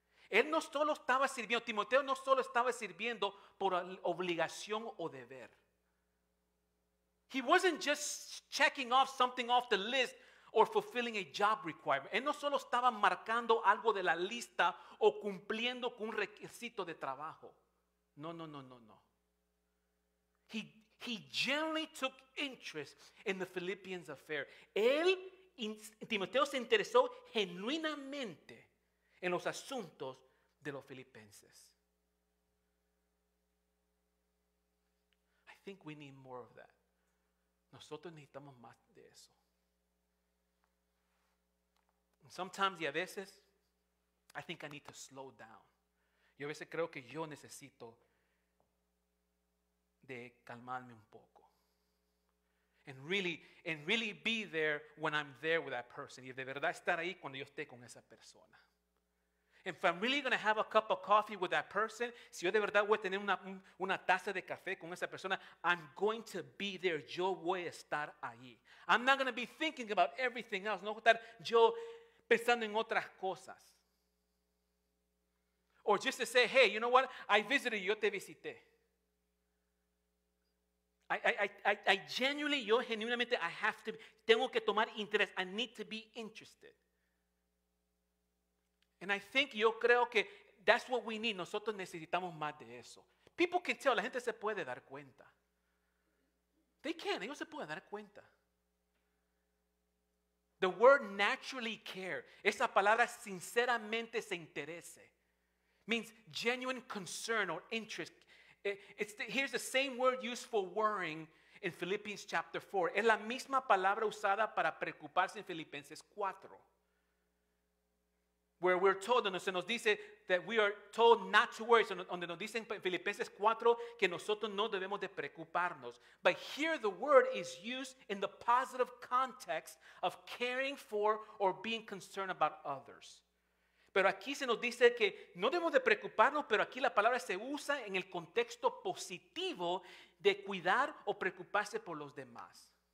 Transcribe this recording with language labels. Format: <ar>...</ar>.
<es>Él no solo estaba sirviendo, Timoteo no solo estaba sirviendo por obligación o deber.</es> <en>He wasn't just checking off something off the list or fulfilling a job requirement.</en> <es>Él no solo estaba marcando algo de la lista o cumpliendo con un requisito de trabajo. No.</es> <en>He genuinely took interest in the Philippians affair.</en> <es>Él, Timoteo, se interesó genuinamente en los asuntos de los filipenses.</es> <en>I think we need more of that.</en> <es>Nosotros necesitamos más de eso.</es> <en>Sometimes,</en> <es>y a veces,</es> <en>I think I need to slow down.</en> <es>Yo a veces creo que yo necesito de calmarme un poco.</es> <en>And really be there when I'm there with that person.</en> <es>Y de verdad estar ahí cuando yo esté con esa persona.</es> <en>If I'm really going to have a cup of coffee with that person,</en> <es>si yo de verdad voy a tener una taza de café con esa persona,</es> <en>I'm going to be there.</en> <es>Yo voy a estar ahí.</es> <en>I'm not going to be thinking about everything else.</en> <es>No, estar yo... pensando en otras cosas.</es> <en>Or just to say, hey, you know what? I visited,</en> <es>yo te visité.</es> <en>I genuinely have to</en> <es>tomar interés.</es> <en>I need to be interested. And I think,</en> <es>yo creo que</es> <en>that's what we need.</en> <es>Nosotros necesitamos más de eso.</es> <en>People can tell,</en> <es>la gente se puede dar cuenta.</es> <en>They can,</en> <es>ellos se pueden dar cuenta.</es> <en>The word naturally care,</en> <es>esa palabra sinceramente se interese,</es> <en>means genuine concern or interest. Here's the same word used for worrying in Philippians chapter 4.</en> <es>Es la misma palabra usada para preocuparse en Filipenses 4.</es> <en>Where we're told,</en> <es>donde se nos dice</es> <en>that we are told not to worry.</en> <es>Donde nos dicen en Filipenses 4 que nosotros no debemos de preocuparnos.</es> <en>But here the word is used in the positive context of caring for or being concerned about others.</en> <es>Pero aquí se nos dice que no debemos de preocuparnos, pero aquí la palabra se usa en el contexto positivo de cuidar o preocuparse por los demás.</es>